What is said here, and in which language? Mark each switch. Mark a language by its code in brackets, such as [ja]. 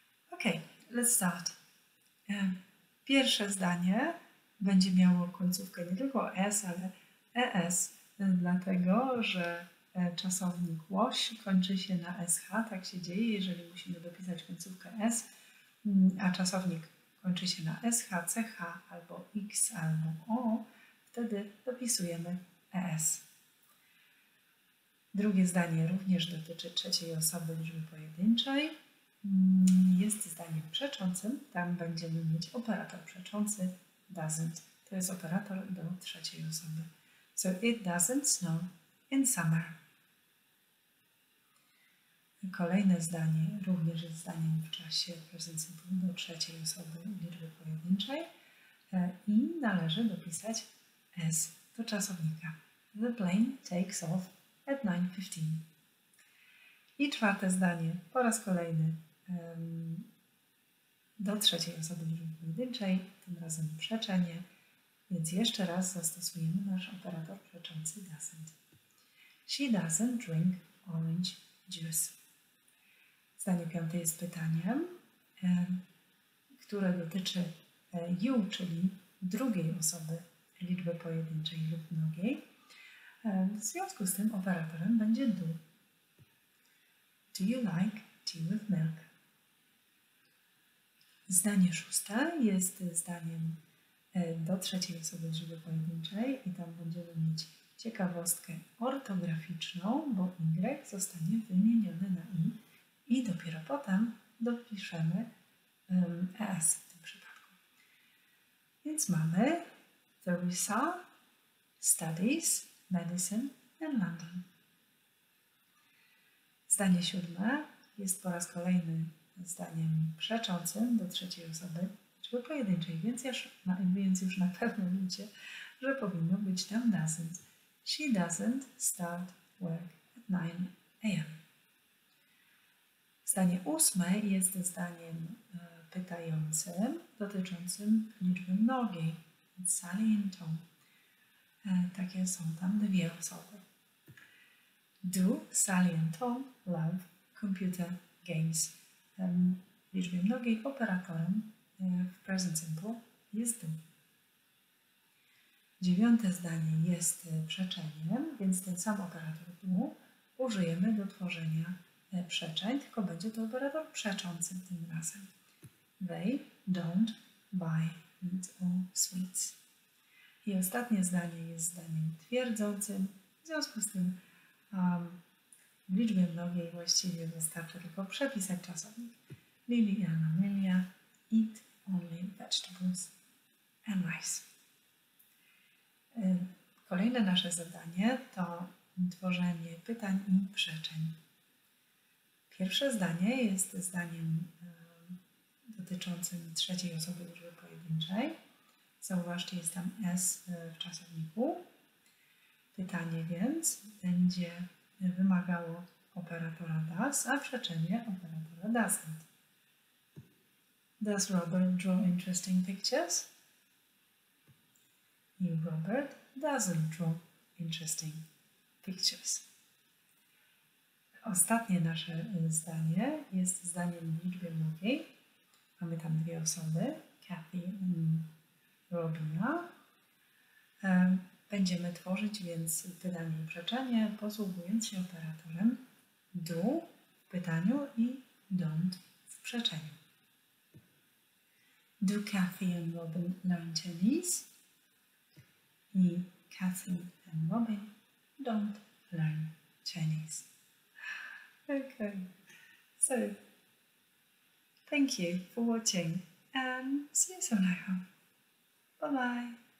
[en] Ok, let's start. [pl] Pierwsze zdanie będzie miało końcówkę nie tylko S, ale ES, dlatego że czasownik was kończy się na SH, tak się dzieje, jeżeli musimy dopisać końcówkę S, a czasownik kończy się na SH, CH albo X albo O, wtedy dopisujemy ES. Drugie zdanie również dotyczy trzeciej osoby liczby pojedynczej. Jest zdaniem przeczącym, tam będziemy mieć operator przeczący doesn't. To jest operator do trzeciej osoby. [en] So it doesn't snow in summer. [pl] Kolejne zdanie również jest zdaniem w czasie present simple do trzeciej osoby liczby pojedynczej i należy dopisać S do czasownika. [en] The plane takes off at 9:15. [pl] I czwarte zdanie, po raz kolejny do trzeciej osoby liczby pojedynczej, tym razem przeczenie, więc jeszcze raz zastosujemy nasz operator przeczący doesn't. [en] She doesn't drink orange juice. [pl] Zdanie piąte jest pytaniem, które dotyczy you, czyli drugiej osoby liczby pojedynczej lub mnogiej. W związku z tym operatorem będzie do. [en] Do you like tea with milk? [pl] Zdanie szóste jest zdaniem do trzeciej osoby liczby pojedynczej i tam będziemy mieć ciekawostkę ortograficzną, bo Y zostanie wymieniony na I i dopiero potem dopiszemy ES w tym przypadku. Więc mamy [en] Theresa studies medicine in London. [pl] Zdanie siódme jest po raz kolejny zdaniem przeczącym do trzeciej osoby liczby pojedynczej, więc już na pewno wiecie, że powinno być tam doesn't. [en] She doesn't start work at 9 a.m. [pl] Zdanie ósme jest zdaniem pytającym, dotyczącym liczby mnogiej. Sally and Tom. Takie są tam dwie osoby. [en] Do Sally and Tom love computer games? [pl] W liczbie mnogiej operatorem w present simple jest do. Dziewiąte zdanie jest przeczeniem, więc ten sam operator do użyjemy do tworzenia przeczeń, tylko będzie to operator przeczący tym razem. [en] They don't buy meat or sweets. [pl] I ostatnie zdanie jest zdaniem twierdzącym, w związku z tym w liczbie mnogiej właściwie wystarczy tylko przepisać czasownik. [en] Lily and Amelia eat only vegetables and rice. [pl] Kolejne nasze zadanie to tworzenie pytań i przeczeń. Pierwsze zdanie jest zdaniem dotyczącym trzeciej osoby liczby pojedynczej. Zauważcie, jest tam S w czasowniku. Pytanie więc będzie wymagało operatora does, a przeczenie operatora doesn't. [en] Does Robert draw interesting pictures? I Robert doesn't draw interesting pictures. [pl] Ostatnie nasze zdanie jest zdaniem w liczbie mnogiej. Mamy tam dwie osoby, Kathy i Robina. Będziemy tworzyć więc pytanie i przeczenie, posługując się operatorem do w pytaniu i don't w przeczeniu. [en] Do Kathy and Robin learn Chinese? I Kathy and Robin don't learn Chinese. Okay. So, thank you for watching and see you soon, I hope. Bye-bye.